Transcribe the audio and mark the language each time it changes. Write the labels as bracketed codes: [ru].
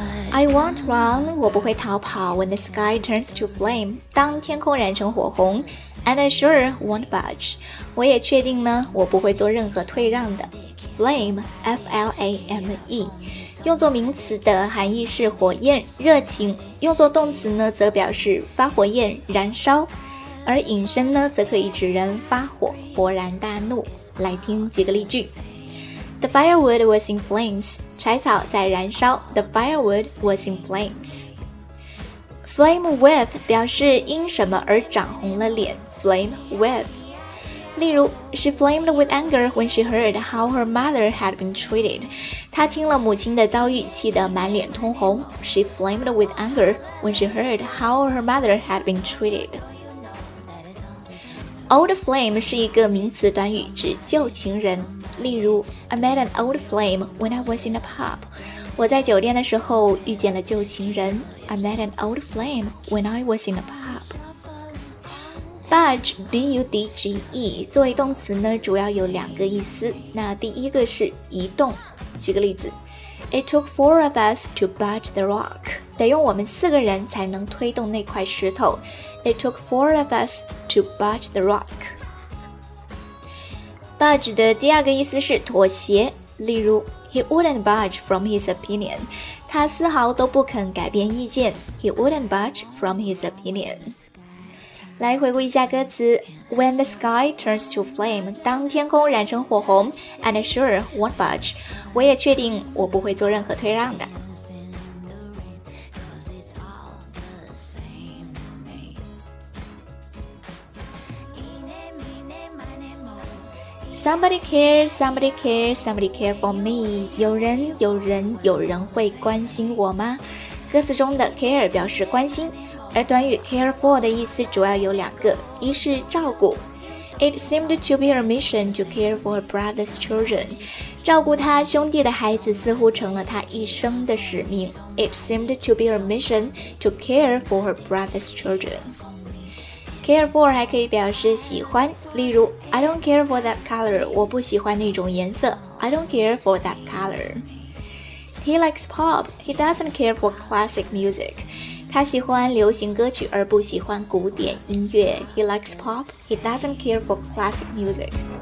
[en] I won't run， [zh] 我不会逃跑。 [en] When the sky turns to flame， [zh] 当天空染成火红。 [en] And I sure won't budge， [zh] 我也确定呢，我不会做任何退让的。Flame, F-L-A-M-E，用作名词的含义是火焰、热情，用作动词呢则表示发火焰、燃烧，而引申呢则可以指人发火、勃然大怒。来听几个例句。 [en] The firewood was in flames. [zh] 柴草在燃烧。 [en] The firewood was in flames. [zh] Flame with 表示因什么而长红了脸。 [en] Flame with。 [zh] 例如 [en] She flamed with anger when she heard how her mother had been treated. [zh] 她听了母亲的遭遇气得满脸通红。 [en] She flamed with anger when she heard how her mother had been treated. [zh] Old flame 是一个名词短语，指旧情人。例如 [en] I met an old flame when I was in a pub. [zh] 我在酒店的时候遇见了旧情人。 [en] I met an old flame when I was in a pub. [zh] Budge, B-U-D-G-E 作为动词呢，主要有两个意思。那第一个是移动。举个例子， [en] It took four of us to budge the rock. [zh] 得用我们四个人才能推动那块石头。 [en] It took four of us to budge the rock. [zh] Budge 的第二个意思是妥协。例如 [en] He wouldn't budge from his opinion. [zh] 他丝毫都不肯改变意见。 [en] He wouldn't budge from his opinion. [zh] 来回顾一下歌词。 [en] When the sky turns to flame, [zh] 当天空染成火红 [en] and sure won't budge. [zh] 我也确定我不会做任何退让的。 [en] Somebody cares, somebody cares, somebody cares for me. [zh] 有人有人有人会关心我吗？歌词中的 care 表示关心，而短语 care for 的意思主要有两个，一是照顾。 [en] It seemed to be her mission to care for her brother's children. [zh] 照顾他兄弟的孩子似乎成了他一生的使命。 [en] It seemed to be her mission to care for her brother's children. Care for [zh] 还可以表示喜欢，例如 [en] I don't care for that color, [zh] 我不喜欢那种颜色。 [en] I don't care for that color. He likes pop, he doesn't care for classic music. [zh] 他喜欢流行歌曲而不喜欢古典音乐。 [en] He likes pop, he doesn't care for classic music.